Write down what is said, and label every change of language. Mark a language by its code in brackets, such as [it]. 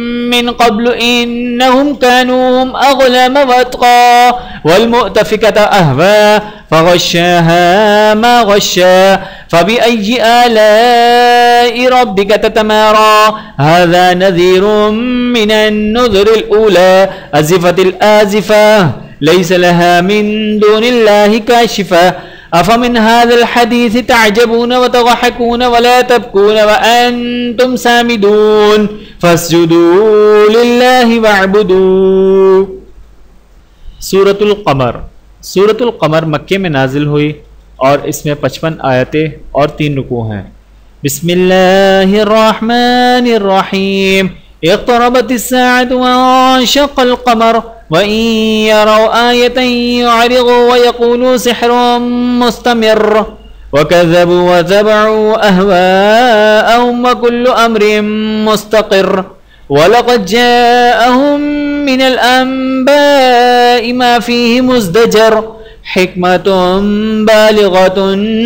[ar] من قبل إنهم كانوا أظلم وأطغى والمؤتفكة أهوى فغشاها ما غشا فبأي آلاء ربك تتمارى هذا نذير من النذر الأولى أزفت الآزفة ليس لها من دون الله كاشفة أفمن هذا الحديث تعجبون وتضحكون ولا تبكون وأنتم سامدون فاسجدوا لله واعبدوا [ur] سورة القمر سورة القمر مکے میں نازل ہوئی اور اس میں 55 آیتیں اور 3 رکوع ہیں [ar] بسم اللہ الرحمن الرحیم اقتربت الساعة وانشق القمر وإن يروا آية يعرضوا ويقولوا سحر مستمر وكذبوا وتبعوا أهواءهم وكل أمر مستقر ولقد جاءهم من الأنباء ما فيه مزدجر حكمة بالغة